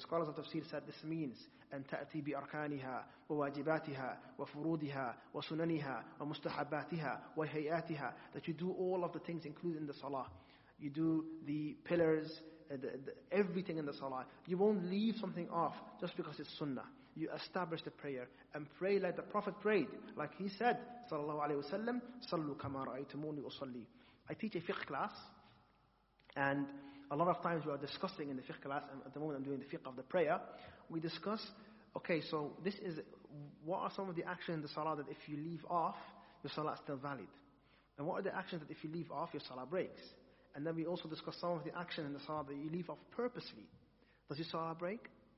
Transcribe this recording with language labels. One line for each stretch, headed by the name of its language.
Arabic: The scholars of Tafsir said this means أن تأتي بأركانها وواجباتها وفروضها وسننها ومستحباتها وهيئاتها.
English: That you do all of the things included in the salah. You do the pillars, the everything in the salah. You won't leave something off just because it's sunnah. You establish the prayer and pray like the Prophet prayed.
Arabic: Like he said, صلى الله عليه وسلم, صلوا كما رأيتموني أصلي.
English: I teach a fiqh class, and a lot of times we are discussing in the fiqh class, and at the moment I'm doing the fiqh of the prayer, we discuss Okay, so this is, what are some of the actions in the salah that if you leave off, your salah is still valid? And what are the actions that if you leave off, your salah breaks? And then we also discuss some of the actions in the salah that you leave off purposely. Does your salah break?